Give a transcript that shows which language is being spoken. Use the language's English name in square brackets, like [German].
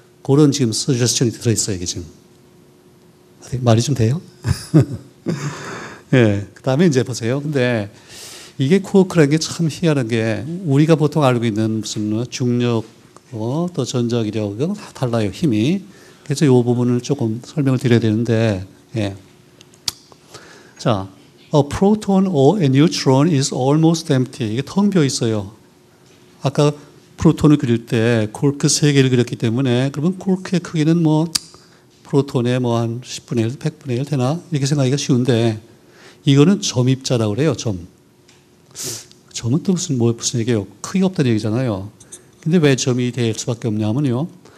[Korean] 그런 지금 suggestion이 들어있어요, 이게 지금. 말이 좀 돼요? 예. 네, 그 다음에 이제 보세요. 근데 이게 쿼크라는 게 참 희한한 게 우리가 보통 알고 있는 무슨 중력, 또 전자기력, 이건 다 달라요, 힘이. 그래서 이 부분을 조금 설명을 드려야 되는데, 예. [English] 자, a proton or a neutron is almost empty. [Korean] 이게 텅 비어 있어요. 아까 프로톤을 그릴 때 쿼크 세 개를 그렸기 때문에 그러면 쿼크의 크기는 뭐 프로톤의 뭐 한 10분의 1, 100분의 1 되나? 이렇게 생각하기가 쉬운데 이거는 점입자라고 그래요, 점. 점은 또 무슨 얘기예요? 크기가 없다는 얘기잖아요. 근데 왜 점이 될 수밖에 없냐 하면요.